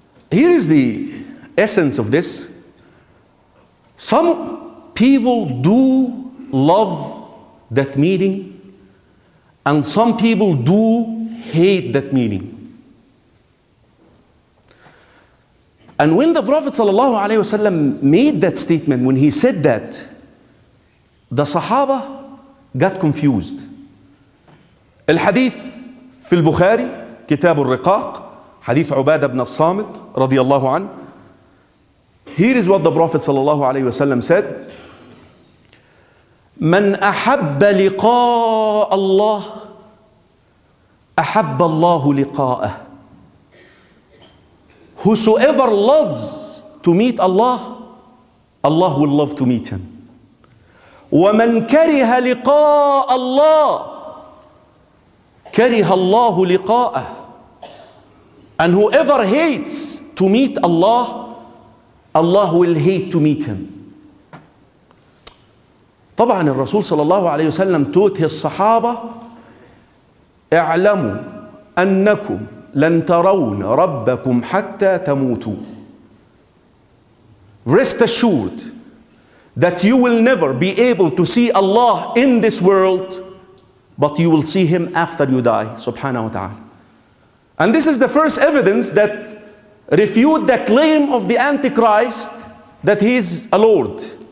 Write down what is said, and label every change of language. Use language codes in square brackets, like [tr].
[en] Here is the essence of this. Some people do love that meeting. And some people do hate that meeting. And when the Prophet ﷺ made that statement, when he said that, [ar] ده صحابة [en] got confused. [ar] الحديث في البخاري كتاب الرقاق حديث عبادة بن الصامت رضي الله عنه. [en] Here is what the Prophet صلى الله عليه وسلم said. [ar] من أحب لقاء الله أحب الله لقاءه. [en] Whosoever loves to meet Allah, Allah will love to meet him. [ar] ومن كره لقاء الله كره الله لقاءه. [en] And whoever hates to meet Allah, Allah will hate to meet him. [ar] طبعا الرسول صلى الله عليه وسلم توته الصحابة اعلموا أنكم لن ترون ربكم حتى تموتوا. [en] Rest assured that you will never be able to see Allah in this world, but you will see him after you die, subhanahu wa ta'ala. And this is the first evidence that refute the claim of the Antichrist that he is a Lord.